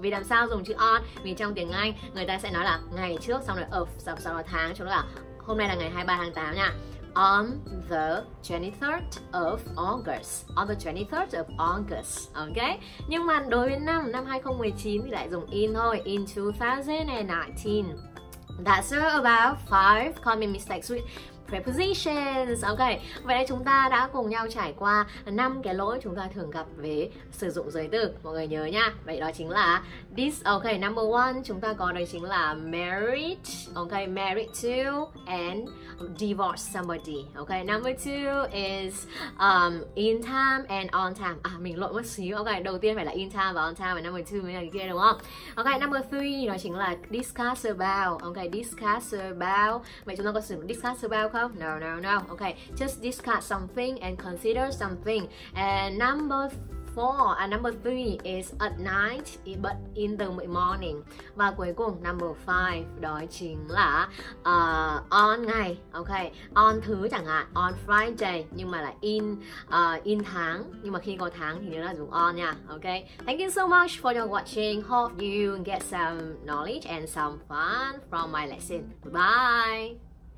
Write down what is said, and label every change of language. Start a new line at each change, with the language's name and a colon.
Vietnamese: Vì làm sao dùng chữ on? Vì trong tiếng Anh người ta sẽ nói là ngày trước xong rồi of, xong rồi tháng, chúng ta là hôm nay là ngày 23 tháng 8 nha.
English: On the 23rd of August. On the 23rd of August.
Vietnamese: Ok. Nhưng mà đối với năm, năm 2019 thì lại dùng in thôi.
English: In 2019. That's about 5 common mistakes with prepositions. Ok.
Vietnamese: Vậy là chúng ta đã cùng nhau trải qua 5 cái lỗi chúng ta thường gặp về sử dụng giới từ. Mọi người nhớ nha. Vậy đó chính là this. Ok. Number 1 chúng ta có đó chính là married. Ok.
English: Married to and divorce somebody. Ok. Number 2 is in time and on time.
Vietnamese: À, mình lộn mất xíu. Ok. Đầu tiên phải là in time và on time, và number 2 mới là cái kia đúng không? Ok.
English: Number 3
Vietnamese: đó chính là
English: discuss about. Ok. Discuss about.
Vietnamese: Vậy chúng ta có sử dụng discuss about không?
English: No, no, no. Ok. Just discuss something and consider something. And number 4, number 3 is at night but in the morning.
Vietnamese: Và cuối cùng number 5 đó chính là on ngày. Ok. On thứ chẳng hạn, on Friday, nhưng mà là in in tháng, nhưng mà khi có tháng thì nhớ là dùng on nha. Ok.
English: Thank you so much for your watching. Hope you get some knowledge and some fun from my lesson. Bye.